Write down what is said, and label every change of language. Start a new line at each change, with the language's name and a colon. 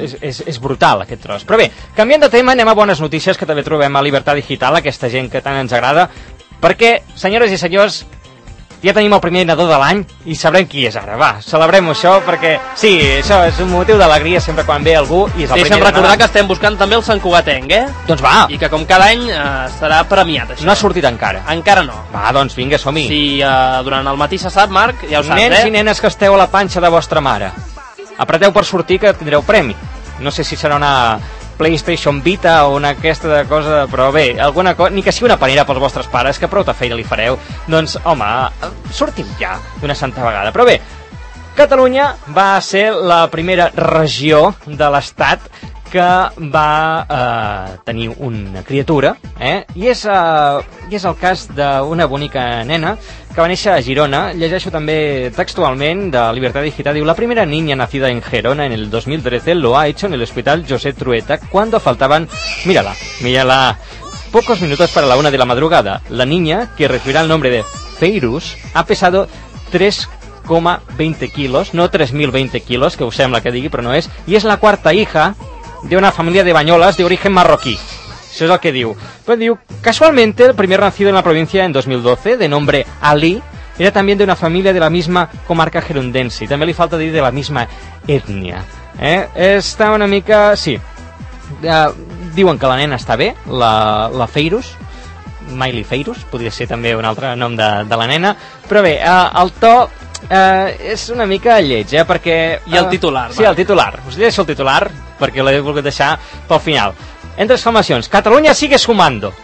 Catalan: És brutal, aquest tros. Però bé, canviant de tema, anem a bones notícies, que també trobem a Libertat Digital, aquesta gent que tant ens agrada, perquè, senyores i senyors, ja tenim el primer nadó de l'any i sabrem qui és ara. Va, celebrem això perquè, sí, això és un motiu d'alegria sempre quan ve algú i és el primer. Deixa'm recordar que estem buscant també el Sant Cugatenc, eh? Doncs va. I que com cada any estarà premiat, això. No ha sortit encara. Encara no. Va, doncs vinga, som-hi. Sí, durant el matí se sap, Marc, ja ho saps, nens, eh? Nens i nenes que esteu a la panxa de vostra mare, apreteu per sortir que tindreu premi. No sé si serà una PlayStation Vita o una aquesta de cosa, però bé, alguna cosa, ni que sigui una panera pels vostres pares, que prou de feina li fareu. Doncs, home, sortim ja d'una santa vegada. Però bé, Catalunya va ser la primera regió de l'Estat que va tenir una criatura, eh? I és el cas d'una bonica nena que va néixer a Girona. Llegeixo també textualment de Libertad Digital. Diu:
Spanish: la primera niña nacida en Girona en el 2013 lo ha hecho en el hospital José Trueta cuando faltaban, mírala, pocos minutos para la una de la madrugada. La niña, que recibirá el nombre de Feirus, ha pesado 3,20 kilos, no 3.020 kilos,
Catalan: que os sembla que digui, però no és, i és la quarta
Spanish: hija de una familia de Banyoles d'origen marroquí. Eso es lo que
Catalan: diu.
Spanish: Pues
Catalan: diu,
Spanish: casualmente, el primer nacido en la provincia en 2012, de nombre Ali, era también de una familia de la misma comarca gerundense. Y también le falta decir de la misma etnia. Está
Catalan: una mica... Sí. Diuen que la nena està bé, la Feirus. Miley Feirus, podria ser també un altre nom de la nena. Però bé, el to... és una mica lleig, perquè... I el titular. Sí, el titular. Us deixo el titular, perquè l'he volgut deixar pel final. Entre exclamacions,
Spanish: Catalunya sigue sumando.